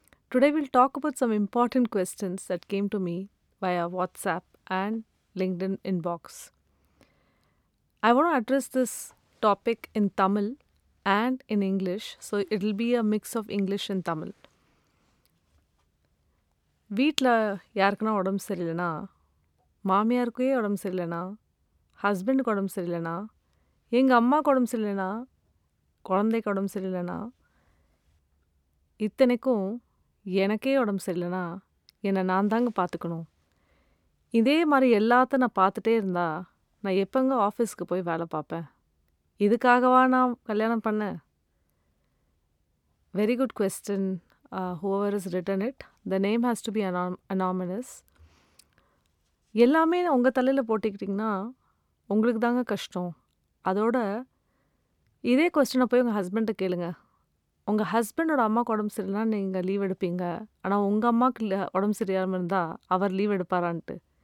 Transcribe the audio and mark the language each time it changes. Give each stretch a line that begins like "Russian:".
English: Today, we'll talk about some important questions that came to me via WhatsApp and LinkedIn inbox. I want to address this topic in Tamil and in English, so it'll be a mix of English and Tamil.
Tamil: வீட்டில் யாருக்குன்னா உடம்பு சரியில்லைனா, மாமியாருக்கே உடம்பு சரியில்லைனா, ஹஸ்பண்டுக்கு உடம்பு சரியில்லைனா, எங்கள் அம்மாவுக்கு உடம்பு சரியில்லைனா, குழந்தைக்கு உடம்பு சரியில்லைனா, இத்தனைக்கும் எனக்கே உடம்பு சரியில்லைனா என்னை நான் தாங்க பார்த்துக்கணும். இதே மாதிரி எல்லாத்த நான் பார்த்துட்டே இருந்தா நான் எப்போங்க ஆஃபீஸ்க்கு போய் வேலை பார்ப்பேன்? இதுக்காகவா நான் கல்யாணம் பண்ணேன்?
English: Very good question. Whoever has written it, the name has to be anonymous.
Tamil: எல்லாமே உங்கள் தலையில் போட்டுக்கிட்டிங்கன்னா உங்களுக்கு தாங்க கஷ்டம். அதோட இதே க்வெஸ்சனை போய் உங்கள் ஹஸ்பண்டை கேளுங்க. உங்கள் ஹஸ்பண்டோட அம்மாவுக்கு உடம்பு சரியில்லைனா நீங்கள் லீவ் எடுப்பீங்க, ஆனால் உங்கள் அம்மாவுக்கு உடம்பு சரியாமல் இருந்தால் அவர் லீவ் எடுப்பாரான்ட்டு.